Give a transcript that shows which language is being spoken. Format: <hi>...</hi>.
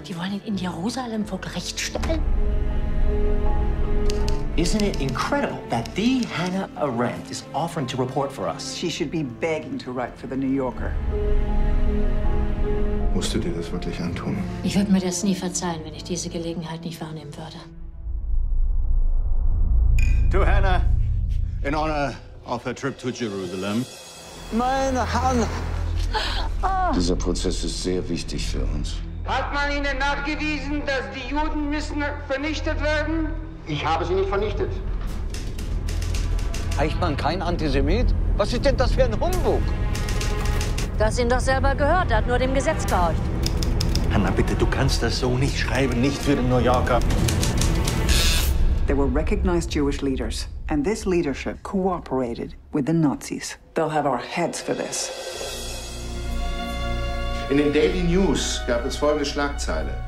<de>Die wollen ihn in Jerusalem vor Gericht stellen.</de> <en>Isn't it incredible that the Hannah Arendt is offering to report for us? She should be begging to write for the New Yorker.</en> <de>Musst du dir das wirklich antun? Ich würde mir das nie verzeihen, wenn ich diese Gelegenheit nicht wahrnehmen würde.</de> <en>To Hannah, in honor of her trip to Jerusalem.</en> <de>Mein Hannah! Dieser Prozess ist sehr wichtig für uns. Hat man Ihnen nachgewiesen, dass die Juden müssen vernichtet werden? Ich habe sie nicht vernichtet. Eichmann, kein Antisemit? Was ist denn das für ein Humbug? Du hast ihn doch selber gehört, er hat nur dem Gesetz gehorcht. Hannah, bitte, du kannst das so nicht schreiben, nicht für den New Yorker.</de> <en>There were recognized Jewish leaders, and this leadership cooperated with the Nazis. They'll have our heads for this.</en> <de>In den Daily News gab es folgende Schlagzeile.</de>